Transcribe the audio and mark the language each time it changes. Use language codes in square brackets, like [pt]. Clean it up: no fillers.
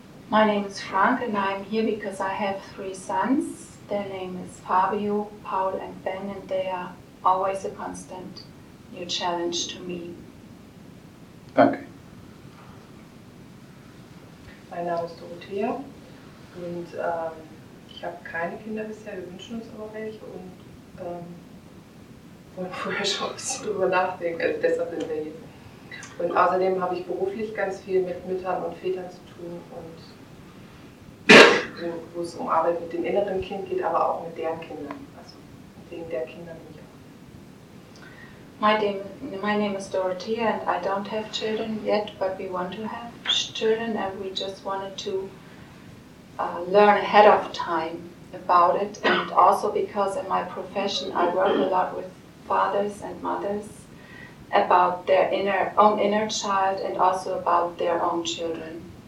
[en] My name is Frank and I'm here because I have three sons. Their name is Fabio, Paul and Ben and they are always a constant new challenge to me. [de] Danke. Mein Name ist Dorothea und ich habe keine Kinder bisher, wir wünschen uns aber welche und wollen vorher schon ein bisschen drüber nachdenken, also deshalb sind wir hier. Und außerdem habe ich beruflich ganz viel mit Müttern und Vätern zu tun und wo es um Arbeit mit dem inneren Kind geht, aber auch mit deren Kindern, also mit denen der Kinder bin ich auch. [en] My name is Dorothea and I don't have children yet, but we want to have children and we just wanted to learn ahead of time about it. And also because in my profession I work a lot with fathers and mothers about their own inner child and also about their own children.